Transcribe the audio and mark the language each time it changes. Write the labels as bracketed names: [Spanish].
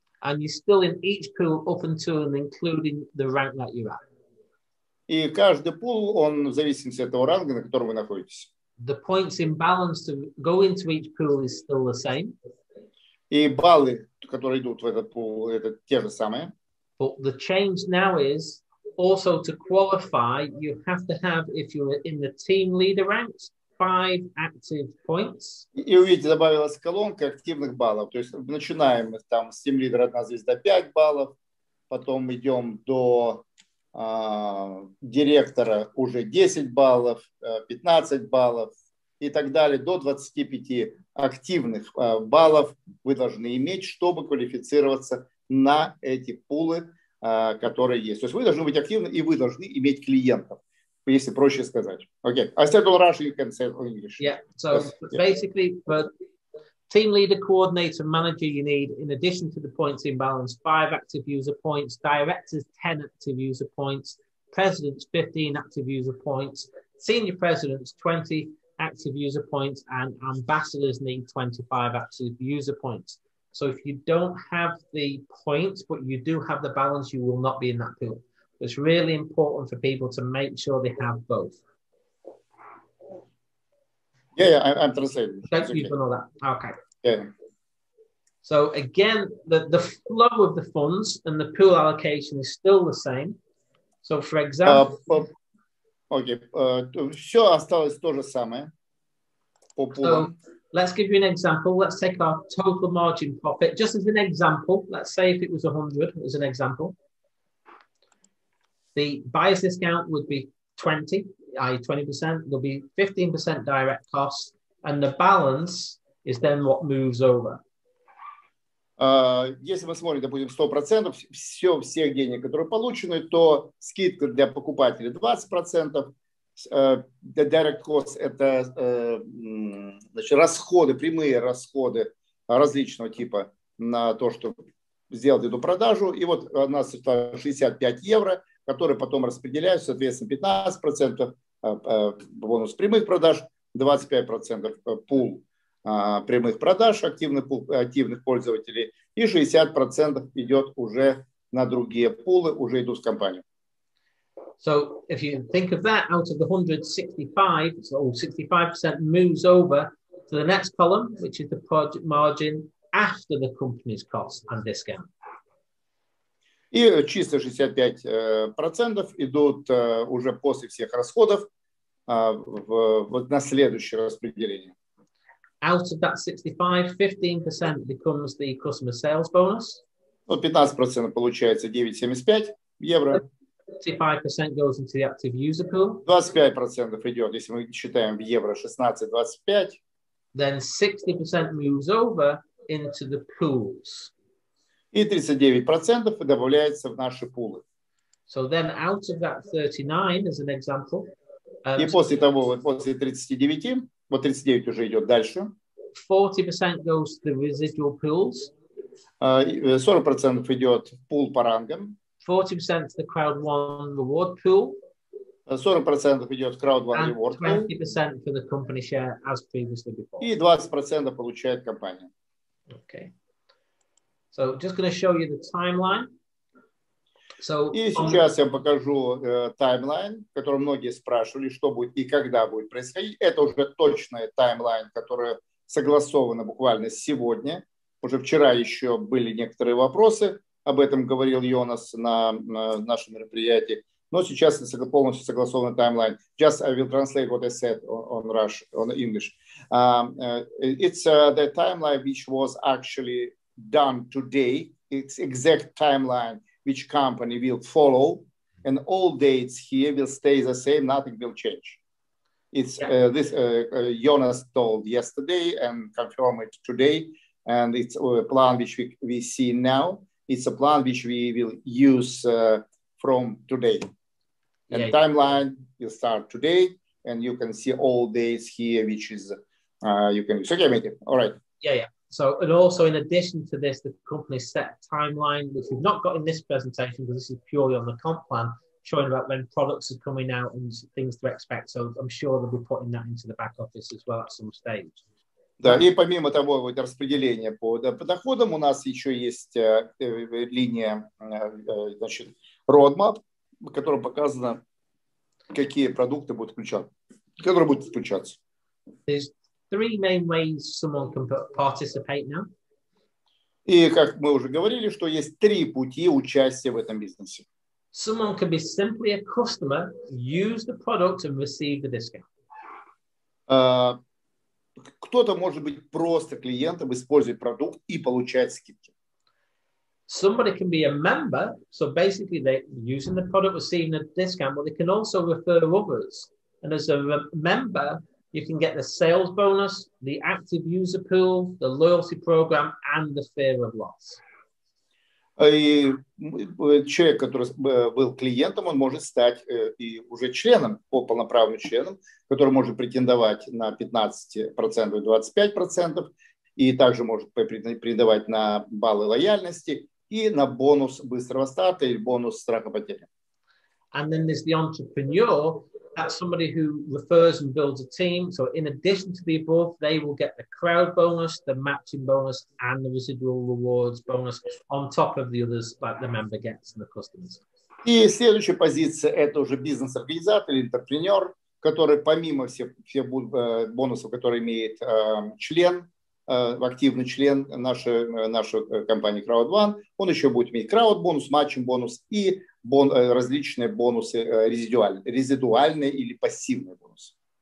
[English] And you're still in each pool up until and including the rank that you're at. [Russian] И каждый пул, он в зависимости от того ранга, на котором вы находитесь. [English] The points in balance to go into each pool is still the same. [Russian] И баллы, которые идут в этот пул, это те же самые. [English] But the change now is also to qualify, you have to have, if you're in the team leader ranks, 5 active points. [Russian] И увидите, добавилась колонка активных баллов. То есть начинаем там с team leader 1 звезда 5 баллов, потом идем до директора уже 10 баллов, 15 баллов и так далее. До 25 активных баллов вы должны иметь, чтобы квалифицироваться на эти пулы, которые есть. То есть вы должны быть активны и вы должны иметь клиентов, если проще сказать. Окей. [English] Okay. I said all Russian, you can say all English. Basically, for team leader, coordinator, manager, you need, in addition to the points in balance, 5 active user points, directors, 10 active user points, presidents, 15 active user points, senior presidents, 20 active user points, and ambassadors need 25 active user points. So if you don't have the points, but you do have the balance, you will not be in that pool. It's really important for people to make sure they have both. Yeah, I'm translating. Thank you for all that. Okay. Yeah. So again, the flow of the funds and the pool allocation is still the same. So for example, [Russian] все осталось то же самое. [English] So let's give you an example. Let's take our total margin profit just as an example. Let's say if it was 100 as an example. The buyer's discount would be 20, i.e. 20%. There'll be 15% direct costs, and the balance is then what moves over. [Russian] Если мы смотрим, допустим, 100%, всех денег, которые получены, то скидка для покупателя 20%, direct costs – это значит, расходы, прямые расходы различного типа на то, чтобы сделать эту продажу. И вот у нас 65 евро, которые потом распределяются, соответственно, 15% бонус прямых продаж, 25% пул прямых продаж, активных пользователей, и 60% идет уже на другие пулы, уже идут в компанию. [English] So if you think of that, out of the 165, so 65% moves over to the next column, which is the project margin after the company's cost and discount. [Russian] И чисто 65% идут уже после всех расходов вот на следующее распределение. [English] Out of that 65, 15% becomes the customer sales bonus. [Russian] Ну, 15% получается 9,75 евро. [English] 25% goes into the active user pool. [Russian] 25% идет, если мы считаем в евро, 16,25. [English] Then 60% moves over into the pools. [Russian] И 39% добавляется в наши пулы. [English] So then out of that 39, as an example. [Russian] И после того, после 39, вот 39 уже идет дальше. [English] 40% goes to the residual pools. [Russian] 40% идет в пул по рангам. [English] 40% to the crowd one reward pool. [Russian] 40% идет в crowd one reward pool. [English] 20% for the company share as previously before. [Russian] И 20% получает компания. [English] Okay. So just going to show you the timeline. [Russian] So, и сейчас я покажу таймлайн, который многие спрашивали, что будет и когда будет происходить. Это уже точный таймлайн, который согласован буквально сегодня. Уже вчера еще были некоторые вопросы, об этом говорил Йонас на нашем мероприятии. Но сейчас полностью согласован таймлайн. [English] Just I will translate what I said on Russian, on English. It's the timeline which was actually done today. It's exact timeline. Which company will follow, and all dates here will stay the same. Nothing will change. It's this Jonas told yesterday and confirmed it today, and it's a plan which we see now. It's a plan which we will use from today, and timeline will start today, and you can see all dates here, which is you can. Okay, Mitya. All right. Yeah. So, and also in addition to this, the company set timeline, which we've not got in this presentation, because this is purely on the comp plan, showing about when products are coming out and things to expect. So I'm sure they'll be putting that into the back office as well at some stage. [Russian] Да, и помимо того, вот распределение по доходам, у нас еще есть линия, значит, roadmap, в котором показано, какие продукты будут включаться, которые будут включаться. [English] Three main ways someone can participate now. [Russian] И как мы уже говорили, что есть три пути участия в этом бизнесе. [English] Someone can be simply a customer, use the product and receive the discount. [Russian] Кто-то может быть просто клиентом, использует продукт и получает скидки. [English] Somebody can be a member, so basically they're using the product, receiving a discount, but they can also refer others. And as a member, you can get the sales bonus, the active user pool, the loyalty program, and the fear of loss. [Russian] И человек, который был клиентом, он может стать и уже членом, полноправным членом, который может претендовать на 15% и 25%, и также может претендовать на баллы лояльности и на бонус быстрого старта или бонус страха потери. [English] And then there's the entrepreneur. That's somebody who refers and builds a team. So in addition to the above, they will get the crowd bonus, the matching bonus, and the residual rewards bonus on top of the others like the member gets and the customers. [Russian] И следующая позиция – это уже бизнес-организатор или предприниматель, который помимо всех бонусов, которые имеет член, активный член нашей компании CrowdOne. Он еще будет иметь краудбонус, матчинг-бонус и различные бонусы резидуальные или пассивные бонусы.